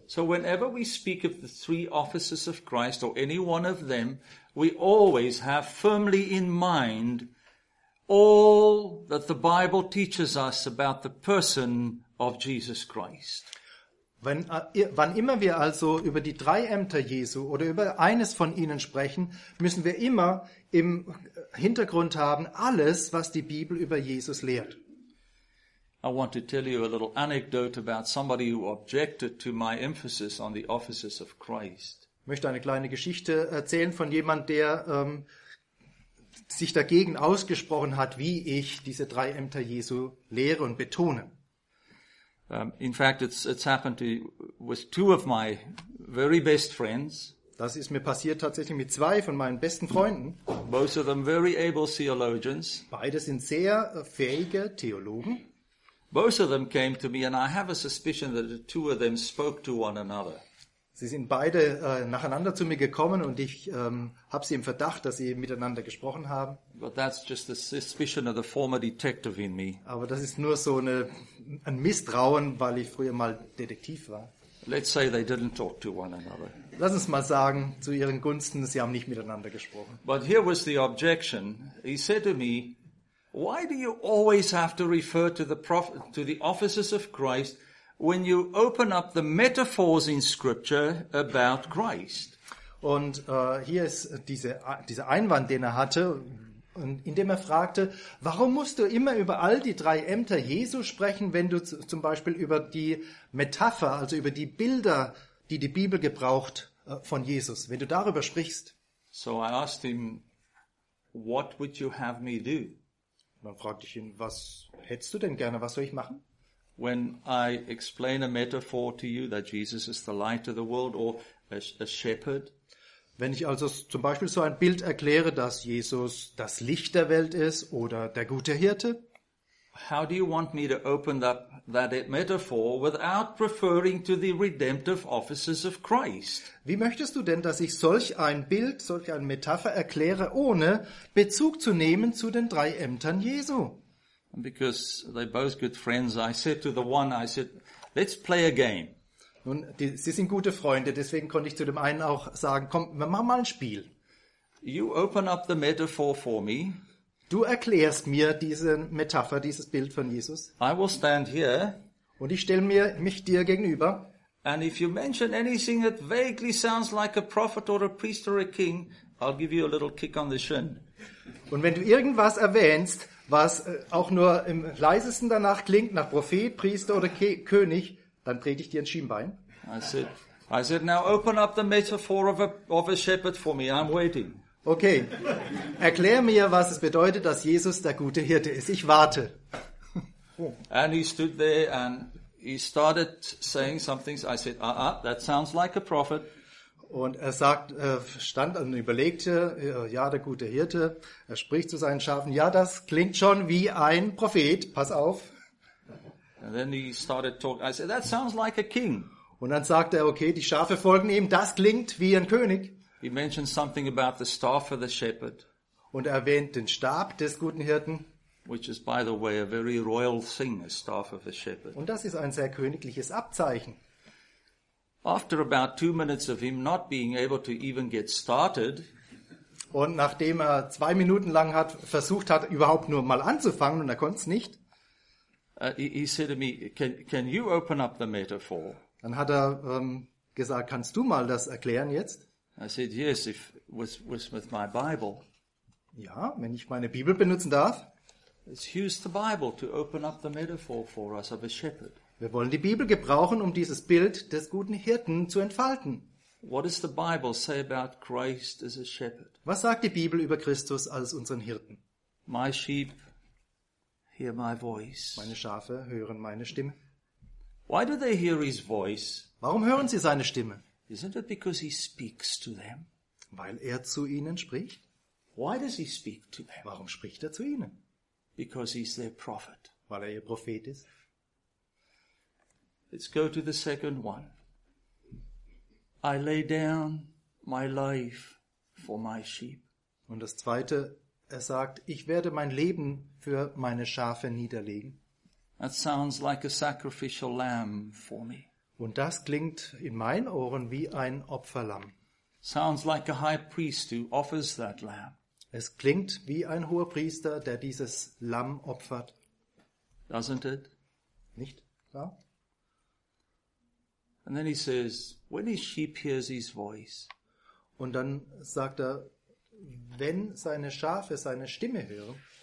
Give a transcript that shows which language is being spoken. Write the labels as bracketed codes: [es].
[en] So whenever we speak of the three offices of Christ or any one of them, we always have firmly in mind all that the Bible teaches us about the person of Jesus Christ. [de] Wann immer wir also über die drei Ämter Jesu oder über eines von ihnen sprechen, müssen wir immer im Hintergrund haben alles, was die Bibel über Jesus lehrt. [en] I want to tell you a little anecdote about somebody who objected to my emphasis on the offices of Christ. [de] Ich möchte eine kleine Geschichte erzählen von jemand, der sich dagegen ausgesprochen hat, wie ich diese drei Ämter Jesu lehre und betone. [en] In fact, it's happened to with two of my very best friends. [de] Das ist mir passiert tatsächlich mit zwei von meinen besten Freunden. [en] Both of them very able theologians. [de] Beide sind sehr fähige Theologen. [en] Both of them came to me, and I have a suspicion that the two of them spoke to one another. [de] Sie sind beide nacheinander zu mir gekommen, und ich habe sie im Verdacht, dass sie miteinander gesprochen haben. [en] But that's just the suspicion of the former detective in me. [de] Aber das ist nur so ein Misstrauen, weil ich früher mal Detektiv war. [en] Let's say they didn't talk to one another. [de] Lass uns mal sagen, zu ihren Gunsten, sie haben nicht miteinander gesprochen. [en] But here was the objection. He said to me, why do you always have to refer to the officers of Christ when you open up the metaphors in Scripture about Christ? [de] Und hier ist dieser Einwand, den er hatte, indem er fragte, warum musst du immer über all die drei Ämter Jesu sprechen, wenn du zum Beispiel über die Metapher, also über die Bilder, die die Bibel gebraucht von Jesus, wenn du darüber sprichst? [en] So I asked him, what would you have me do? [de] Dann fragte ich ihn, was hättest du denn gerne, was soll ich machen? [en] When I explain a metaphor to you that Jesus is the light of the world or a shepherd. [de] Wenn ich also zum Beispiel so ein Bild erkläre, dass Jesus das Licht der Welt ist oder der gute Hirte. [en] How do you want me to open up that metaphor without referring to the redemptive offices of Christ? [de] Wie möchtest du denn, dass ich solch ein Bild, solch eine Metapher erkläre, ohne Bezug zu nehmen zu den drei Ämtern Jesu? [en] Because they're both good friends, I said to the one, I said, let's play a game. [de] Nun, sie sind gute Freunde, deswegen konnte ich zu dem einen auch sagen, komm, wir machen mal ein Spiel. [en] You open up the metaphor for me. [de] Du erklärst mir diese Metapher, dieses Bild von Jesus. [en] I will stand here. [de] Und ich stelle mich dir gegenüber. [en] And if you mention anything that vaguely sounds like a prophet or a priest or a king, I'll give you a little kick on the shin. [de] Und wenn du irgendwas erwähnst, was auch nur im leisesten danach klingt, nach Prophet, Priester oder König, dann trete ich dir ein Schienbein. [en] I said, now open up the metaphor of a shepherd for me. I'm waiting. [de] Okay, erklär mir, was es bedeutet, dass Jesus der gute Hirte ist. Ich warte. [en] And he stood there and he started saying some things. I said, that sounds like a prophet. [de] Und er sagt, stand und überlegte, ja, der gute Hirte. Er spricht zu seinen Schafen, ja, das klingt schon wie ein Prophet. Pass auf. [en] And then he started talking. I said, that sounds like a king. [de] Und dann sagte er, okay, die Schafe folgen ihm. Das klingt wie ein König. [en] He mentioned something about the staff of the shepherd. [de] Und er erwähnt den Stab des guten Hirten. [en] Which is, by the way, a very royal thing, a staff of a shepherd. [de] Und das ist ein sehr königliches Abzeichen. [en] After about 2 minutes of him not being able to even get started. [de] Und nachdem er 2 Minuten lang versucht hat, überhaupt nur mal anzufangen, und er konnte es nicht. [en] He said to me, can you open up the metaphor? [de] Dann hat er gesagt, kannst du mal das erklären jetzt? [en] I said, yes, if was with my Bible. [de] Ja, wenn ich meine Bibel benutzen darf. [en] Let's use the Bible to open up the metaphor for us of a shepherd. [de] Wir wollen die Bibel gebrauchen, um dieses Bild des guten Hirten zu entfalten. [en] What does the Bible say about Christ as a shepherd? [de] Was sagt die Bibel über Christus als unseren Hirten? [en] My sheep hear my voice. [de] Meine Schafe hören meine Stimme. [en] Why do they hear his voice? [de] Warum hören sie seine Stimme? [en] Isn't it because he speaks to them? [de] Weil er zu ihnen spricht? [en] Why does he speak to them? [de] Warum spricht er zu ihnen? [en] Because he's their prophet. [de] Weil er ihr Prophet ist. [en] Let's go to the second one. I lay down my life for my sheep. [de] Und das zweite, er sagt, ich werde mein Leben für meine Schafe niederlegen. [en] That sounds like a sacrificial lamb for me. [de] Und das klingt in meinen Ohren wie ein Opferlamm. [en] Sounds like a high priest who offers that lamb. [de] Es klingt wie ein hoher Priester, der dieses Lamm opfert. [en] Doesn't it? [de] Nicht wahr? [en] And then he says, when his sheep hears his voice. [de] Und dann sagt er, wenn seine Schafe seine Stimme hören,